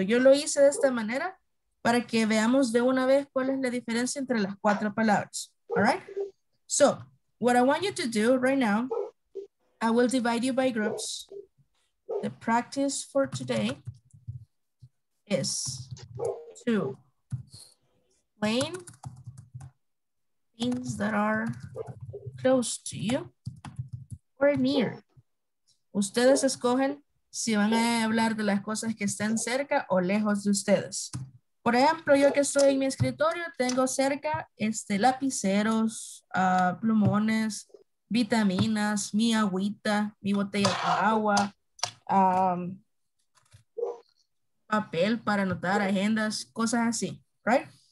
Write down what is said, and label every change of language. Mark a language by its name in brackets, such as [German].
[Spanish] Yo lo hice de esta manera para que veamos de una vez cuál es la diferencia entre las cuatro palabras. [English] All right? So, what I want you to do right now, I will divide you by groups. The practice for today is to explain things that are close to you or near. [Spanish] Ustedes escogen si van a hablar de las cosas que están cerca o lejos de ustedes. Por ejemplo, yo que estoy en mi escritorio, tengo cerca lapiceros, plumones, vitaminas, mi agüita, mi botella de agua, papel para anotar, agendas, cosas así, [English] right?